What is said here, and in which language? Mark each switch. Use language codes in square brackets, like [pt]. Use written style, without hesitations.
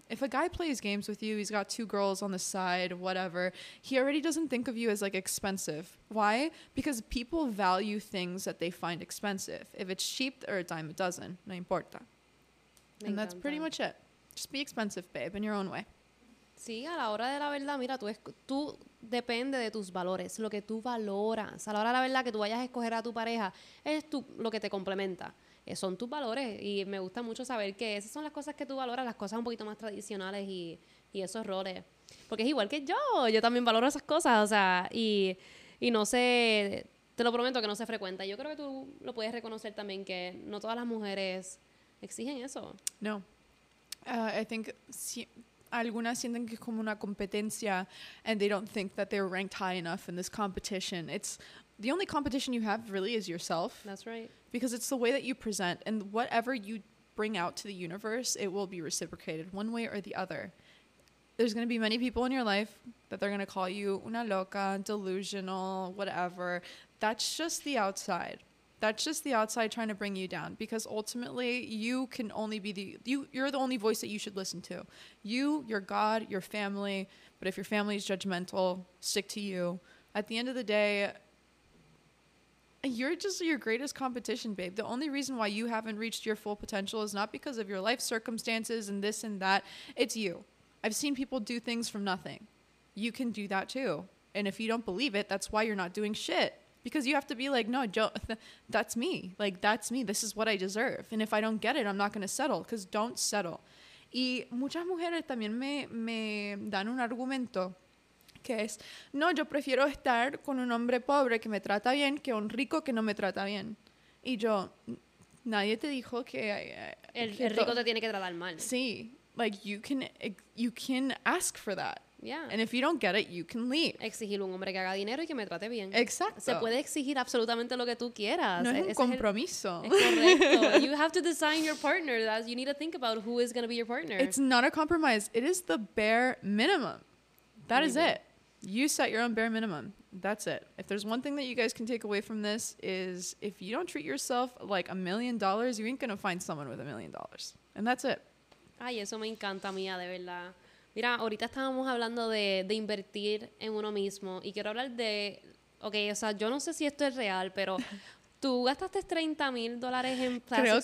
[en] If a guy plays games with you, he's got two girls on the side, whatever, he already doesn't think of you as like expensive. Why? Because people value things that they find expensive. If it's cheap or a dime a dozen, [es] no importa. [en] And that's pretty much it. Just be expensive, babe, in your own way. [es] Sí, a la hora de la verdad, mira, tú depende de tus valores, lo que tú valoras. A la hora de la verdad que tú vayas a escoger a tu pareja, es tú lo que te complementa. Son tus valores y me gusta mucho saber que esas son las cosas que tú valoras, las cosas un poquito más tradicionales y esos roles. Porque es igual que yo también valoro esas cosas, o sea, y no sé, te lo prometo que no se frecuenta. Yo creo que tú lo puedes reconocer también, que no todas las mujeres exigen eso. [en] No. I think... [es] Algunas sienten que es como una competencia, [en] and they don't think that they're ranked high enough in this competition. It's the only competition you have really is yourself. That's right. Because it's the way that you present, and whatever you bring out to the universe, it will be reciprocated one way or the other. There's going to be many people in your life that they're going to call you [es] una loca, [en] delusional, whatever. That's just the outside. That's just the outside trying to bring you down, because ultimately you can only be you're the only voice that you should listen to. You, your God, your family. But if your family is judgmental, stick to you. At the end of the day, you're just your greatest competition, babe. The only reason why you haven't reached your full potential is not because of your life circumstances and this and that. It's you. I've seen people do things from nothing. You can do that too. And if you don't believe it, that's why you're not doing shit. Because you have to be like, no, Joe, that's me. Like, that's me. This is what I deserve. And if I don't get it, I'm not going to settle. Because don't settle. [es] Y muchas mujeres también me dan un argumento. Que es, no, yo prefiero estar con un hombre pobre que me trata bien que un rico que no me trata bien. Y yo, nadie te dijo que... El rico te tiene que tratar mal. [en] Sí. Like, you can ask for that. Yeah. And if you don't get it, you can leave. [es] Exigir un hombre que haga dinero y que me trate bien. Exacto. Se puede exigir absolutamente lo que tú quieras. No es un compromiso. Es correcto. [en] You have to design your partner. You need to think about who is going to be your partner. It's not a compromise. It is the bare minimum. That is it. You set your own bare minimum. That's it. If there's one thing that you guys can take away from this, is if you don't treat yourself like $1,000,000, you ain't going to find someone with $1,000,000. And that's it. [es] Ay, eso me encanta, mía, de verdad. Mira, ahorita estábamos hablando de invertir en uno mismo y quiero hablar de, okay, o sea, yo no sé si esto es real, pero tú gastaste $30,000 en [en] plastic surgery.